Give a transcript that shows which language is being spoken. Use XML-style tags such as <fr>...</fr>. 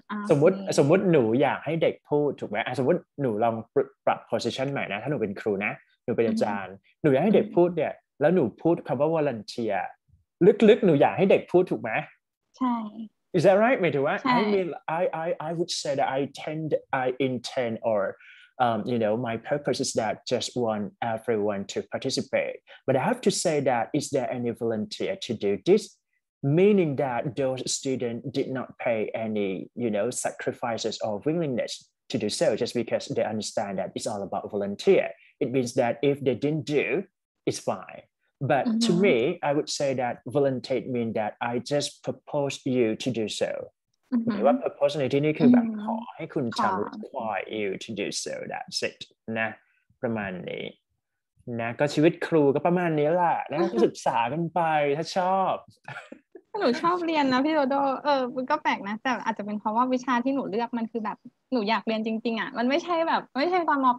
<th>สมมติหนูอยากให้เด็กพูดถูกไหมสมมติหนูลองปรับ position ใหม่นะถ้าหนูเป็นครูนะหนูเป็นอาจารย์หนูอยากให้เด็กพูดเนี่ยแล้วหนูพูดคำว่า volunteerลึกๆหนูอยากให้เด็กพูดถูกไหม ใช่</th> <en>Is that right</en> <th>หมายถึงว่า</th> <en>I mean I would say that I intend or you know my purpose is that just want everyone to participate but I have to say that is there any volunteer to do this meaning that those students did not pay any you know sacrifices or willingness to do so just because they understand that it's all about volunteer it means that if they didn't do it's fineBut mm-hmm. to me, I would say that volunteer means that I just propose you to do so. Mm-hmm. What propose</en> <th>ในที่นี้คือแบบขอให้คุณจะ</th> <en>require you to do so. That's it.</en> <th>นะประมาณนี้นะก็ชีวิตครูก็ประมาณนี้แหละแล้วก็ศึกษากันไปถ้าชอบ หนูชอบเรียนนะพี่โดโดมันก็แปลกนะแต่อาจจะเป็นเพราะว่าวิชาที่หนูเลือกมันคือแบบหนูอยากเรียนจริงๆอ่ะมันไม่ใช่แบบไม่ใช่ตอนม.</th>